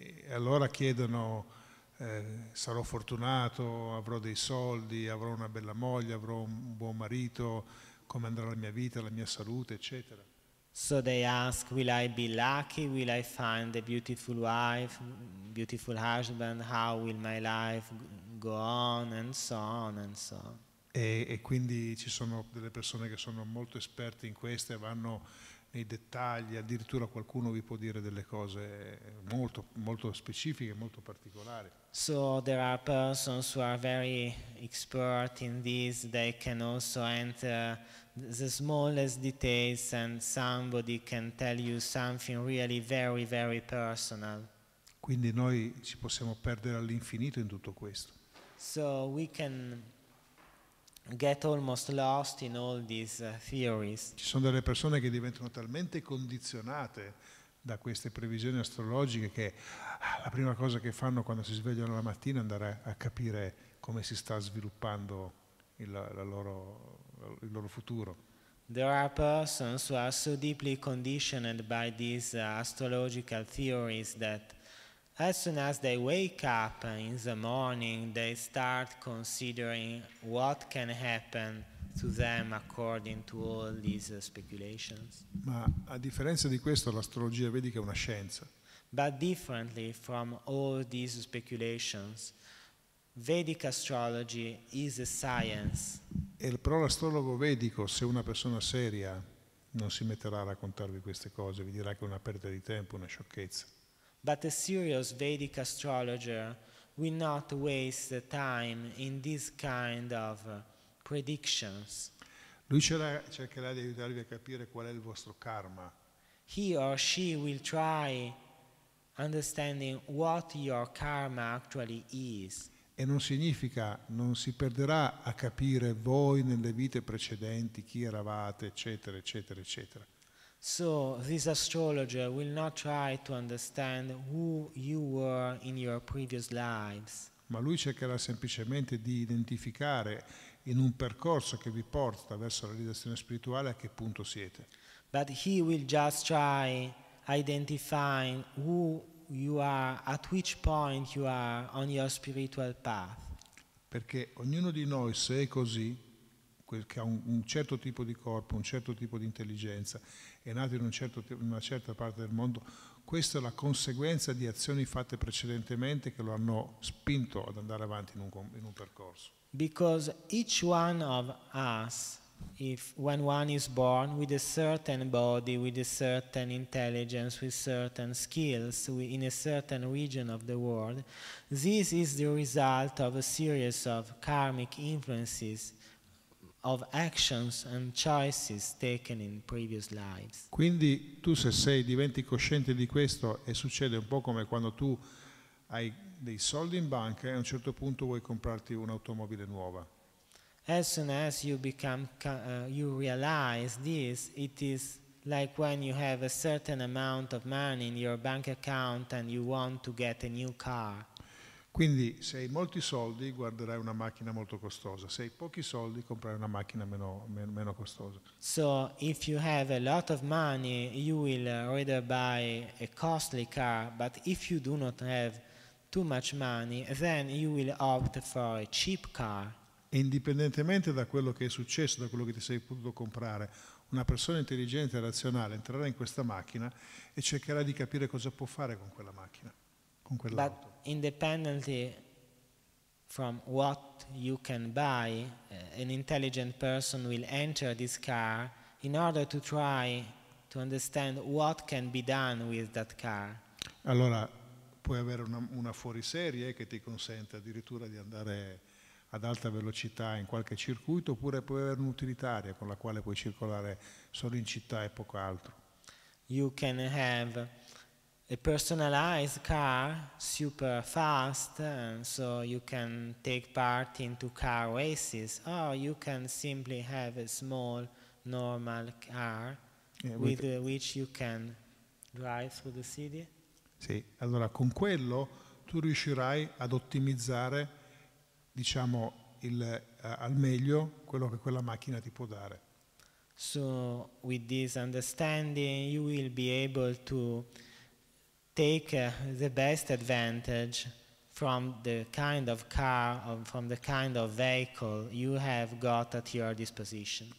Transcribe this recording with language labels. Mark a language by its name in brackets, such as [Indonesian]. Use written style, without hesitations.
[Italian] allora chiedono, sarò fortunato, avrò dei soldi, avrò una bella moglie, avrò un buon marito, come andrà la mia vita, la mia salute, eccetera. [English] So they ask, will I be lucky, will I find a beautiful wife, beautiful husband, how will my life go on, and so on, and so on. [Italian] E quindi ci sono delle persone che sono molto esperte in queste, vanno nei dettagli, addirittura qualcuno vi può dire delle cose molto, molto specifiche, molto particolari. [English] So there are persons who are very expert in this, they can also enter the smallest details and somebody can tell you something really very, very personal. [Italian] Quindi noi ci possiamo perdere all'infinito in tutto questo. [English] So we can get almost lost in all these theories. [Italian] Ci sono delle persone che diventano talmente condizionate da queste previsioni astrologiche che la prima cosa che fanno quando si svegliano la mattina è andare a capire come si sta sviluppando il loro futuro. [English] There are persons who are so deeply conditioned by these astrological theories that as soon as they wake up in the morning, they start considering what can happen to them according to all these speculations. [Italian] Ma a differenza di questo, l'astrologia, vedi che è una scienza. [English] But differently from all these speculations, Vedic astrology is a science. [Italian] Però l'astrologo vedico, se una persona seria, non si metterà a raccontarvi queste cose, vi dirà che è una perdita di tempo, una sciocchezza. [English] But a serious Vedic astrologer will not waste the time in this kind of predictions. [Italian] Lui cercherà di aiutarvi a capire qual è il vostro karma. [English] He or she will try understanding what your karma actually is. [Italian] E non significa, non si perderà a capire voi nelle vite precedenti chi eravate, eccetera, eccetera, eccetera. [English] So this astrologer will not try to understand who you were in your previous lives. [Italian] Ma lui cercherà semplicemente di identificare in un percorso che vi porta verso la realizzazione spirituale a che punto siete. [English] But he will just try identifying who you are, at which point you are on your spiritual path. [Italian] Perché ognuno di noi, se è così, che ha un certo tipo di corpo, un certo tipo di intelligenza, è nato in una certa parte del mondo, questa è la conseguenza di azioni fatte precedentemente che lo hanno spinto ad andare avanti in un percorso. [English] Because each one of us, if when one is born with a certain body, with a certain intelligence, with certain skills, in a certain region of the world, this is the result of a series of karmic influences, of actions and choices taken in previous lives. [Italian] Quindi tu se diventi cosciente di questo, e succede un po' come quando tu hai dei soldi in banca e a un certo punto vuoi comprarti un'automobile nuova. [English] As soon as you become you realize this, it is like when you have a certain amount of money in your bank account and you want to get a new car. [Italian] Quindi se hai molti soldi guarderai una macchina molto costosa, se hai pochi soldi comprerai una macchina meno costosa. [English] So if you have a lot of money you will rather buy a costly car, but if you do not have too much money, then you will opt for a cheap car. [Italian] Indipendentemente da quello che è successo, da quello che ti sei potuto comprare, una persona intelligente e razionale entrerà in questa macchina e cercherà di capire cosa può fare con quella macchina, con quell'auto. [English] But independently from what you can buy, an intelligent person will enter this car in order to try to understand what can be done with that car. [Italian] Allora, puoi avere una fuoriserie che ti consente addirittura di andare ad alta velocità in qualche circuito, oppure puoi avere un'utilitaria con la quale puoi circolare solo in città e poco altro. [English] You can have a personalized car, super fast, so you can take part into car races, or you can simply have a small, normal car with which you can drive through the city. [Italian] Sì, allora con quello tu riuscirai ad ottimizzare, diciamo, al meglio quello che quella macchina ti può dare. [English] So with this understanding you will be able to take the best advantage from the kind of car or from the kind of vehicle you have got at your disposition.